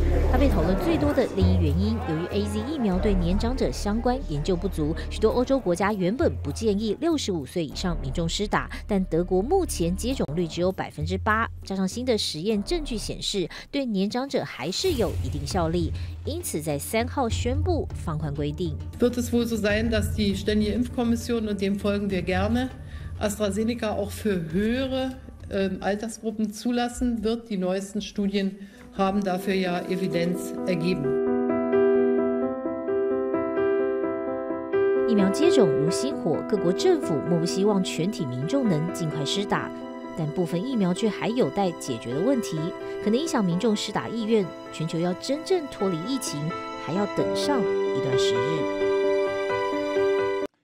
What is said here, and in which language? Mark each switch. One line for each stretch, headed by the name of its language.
Chinese: 它被讨论最多的另一原因，由于 AZ 疫苗对年长者相关研究不足，许多欧洲国家原本不建议65岁以上民众施打，但德国目前接种率只有8%，加上新的实验证据显示对年长者还是有一定效力，因此在3号宣布放宽规定。
German: Wird es wohl so sein, dass die ständige Impfkommission und dem folgen wir gerne AstraZeneca auch für höhere Altersgruppen zulassen wird? Die neuesten Studien haben dafür ja Evidenz ergeben.
Chinese: 疫苗接种如星火，各国政府莫不希望全体民众能尽快施打，但部分疫苗却还有待解决的问题，可能影响民众施打意愿。全球要真正脱离疫情，还要等上一段时日。